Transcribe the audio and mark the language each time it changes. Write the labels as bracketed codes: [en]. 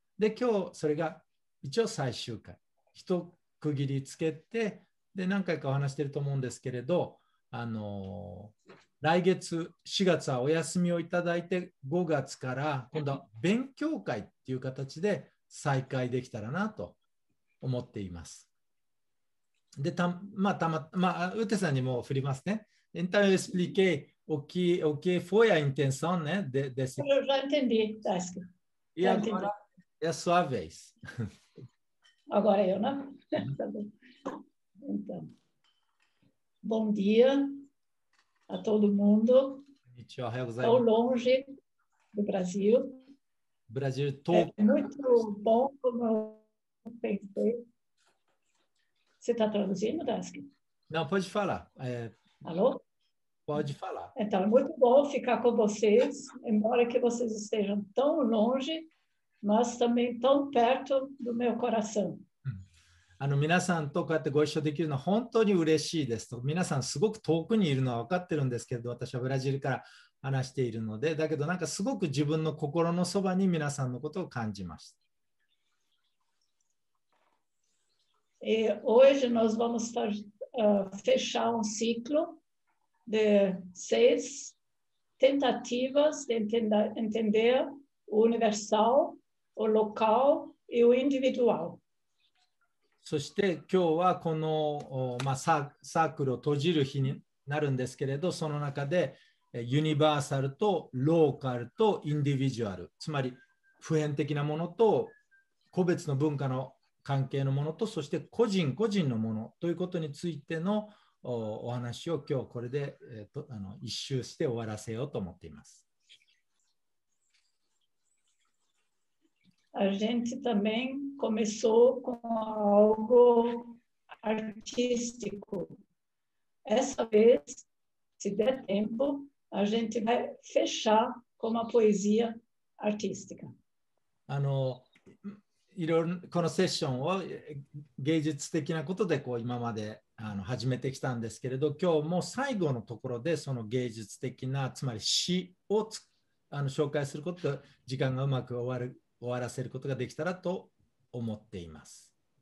[ja] で、今日それが一応最終回、一区切りつけて、で、何回かお話してると思うんですけれど、来月4月はお休みをいただいて、5月から今度は勉強会っていう形で再開できたらなと思っています。で、まあ、ウテさんにも振りますね。 [pt] Então eu expliquei o que foi a intenção, né, desse. Eu já entendi, Tássica. E Já agora entendi. é a sua vez. Agora eu, né? Tá bom. Então. Bom dia a todo mundo. [ja] Konnichiwa, ohayou gozaimasu. [pt] longe do Brasil. Brasil, É tô. muito bom como eu pensei. Você está traduzindo, Tássica? Não, pode falar. Alô? Pode falar. Então, é muito bom ficar com vocês, embora que vocês estejam tão longe, mas também tão perto do meu coração. [ja] 皆さんとこうやってご一緒できるのは本当に嬉しいですと、皆さんすごく遠くにいるのは分かってるんですけど、私はブラジルから話しているので、だけどなんかすごく自分の心のそばに皆さんのことを感じました。 [pt] Hoje nós vamos fechar ciclo de seis tentativas de entender o universal, o local e o individual. [ja] そして今日はこの、まあ、サークルを閉じる日になるんですけれど、その中でユニバーサルとローカルとインディビジュアル、つまり普遍的なものと個別の文化の関係のものと、そして個人個人のものということについてのお話を今日これで、一周して終わらせようと思っています。 [pt] A gente também começou com algo artístico. Essa vez, se der tempo, a gente vai fechar com uma poesia artística. [ja] いろいろこのセッションを芸術的なことでこう今まで始めてきたんですけれど、今日も最後のところでその芸術的な、つまり詩を紹介することで時間がうまく終わらせることができたらと思っています。